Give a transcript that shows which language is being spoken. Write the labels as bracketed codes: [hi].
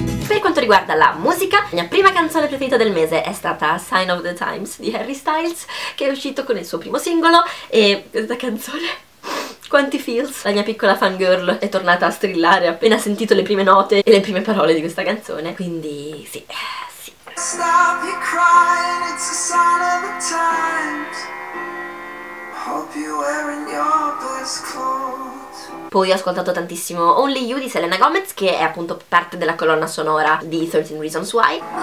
[it] Per quanto riguarda la musica, la mia prima canzone preferita del mese è stata Sign of the Times di Harry Styles, che è uscito con il suo primo singolo, e questa canzone, quanti feels! La mia piccola fangirl è tornata a strillare appena ha sentito le prime note e le prime parole di questa canzone, quindi sì, sì. [en] Stop you crying, it's a sign of the times. Hope you're wearing your best clothes. [it] Poi ho ascoltato tantissimo Only You di Selena Gomez, che è appunto parte della colonna sonora di 13 Reasons Why.